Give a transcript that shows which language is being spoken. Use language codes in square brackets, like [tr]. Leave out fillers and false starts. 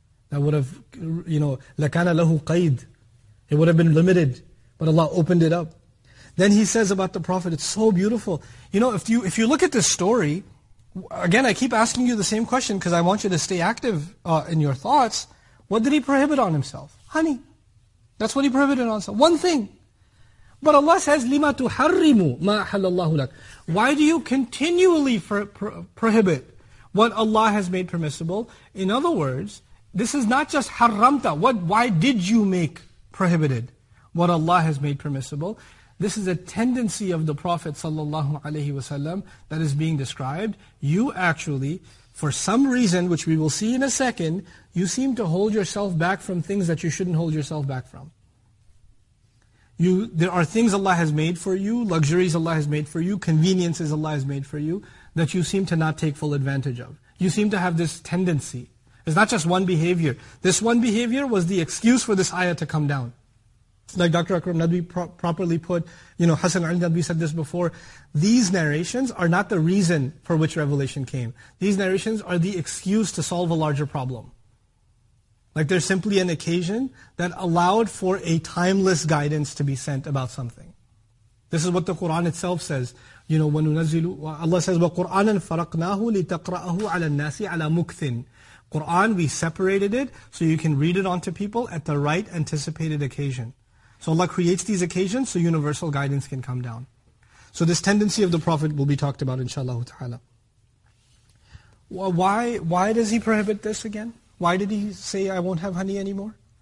[en] That would have, you know, [ar] lakana lahu qaid. [en] It would have been limited, but Allah opened it up. Then he says about the Prophet, it's so beautiful. You know, if you look at this story, again, I keep asking you the same question because I want you to stay active in your thoughts. What did he prohibit on himself? Honey. That's what he prohibited on himself. One thing. But Allah says, [ar] لِمَا تُحَرِّمُ مَا أَحَلَّ اللَّهُ لَكَ. [en] Why do you continually prohibit what Allah has made permissible? In other words, this is not just حَرَّمْتَ. Why did you make prohibited what Allah has made permissible? This is a tendency of the Prophet ﷺ that is being described. You actually, for some reason, which we will see in a second, you seem to hold yourself back from things that you shouldn't hold yourself back from. There are things Allah has made for you, luxuries Allah has made for you, conveniences Allah has made for you, that you seem to not take full advantage of. You seem to have this tendency. It's not just one behavior. This one behavior was the excuse for this ayah to come down. Like Dr. Akram Nadwi properly put, you know, Hasan Ali Nadwi said this before, these narrations are not the reason for which revelation came. These narrations are the excuse to solve a larger problem. Like they're simply an occasion that allowed for a timeless guidance to be sent about something. This is what the Qur'an itself says. You know, Allah says, [ar] وَقُرْآنًا فَرَقْنَاهُ لِتَقْرَأَهُ عَلَى النَّاسِ عَلَى مُكْثٍ. [en] Qur'an, we separated it so you can read it onto people at the right anticipated occasion. So Allah creates these occasions so universal guidance can come down. So this tendency of the Prophet will be talked about, inshallah ta'ala. Why does he prohibit this again? Why did he say, I won't have honey anymore?